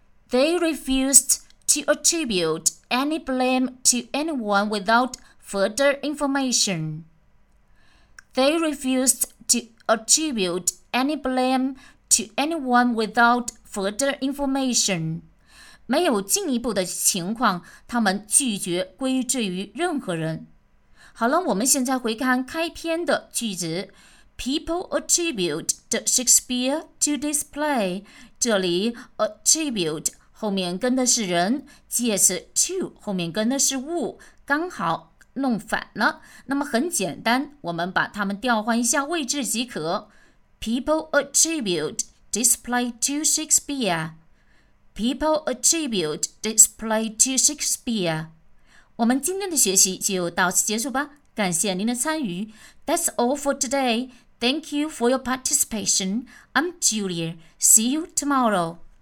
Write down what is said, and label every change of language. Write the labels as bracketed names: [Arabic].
[English] They refused to attribute any blame to anyone without further information. They refused to attribute any blame to anyone without further information. [Chinese] 没有进一步的情况，他们拒绝归罪于任何人。好了，我们现在回看开篇的句子。 [English] People attribute the Shakespeare to this play. [Chinese] 这里 attribute 后面跟的是人，介词 to 后面跟的是物，刚好弄反了。那么很简单，我们把它们调换一下位置即可。 [English] People attribute this play to Shakespeare. People attribute this play to Shakespeare. [Chinese] 我们今天的学习就到此结束吧，感谢您的参与。 [English] That's all for today. Thank you for your participation. I'm Julia. See you tomorrow.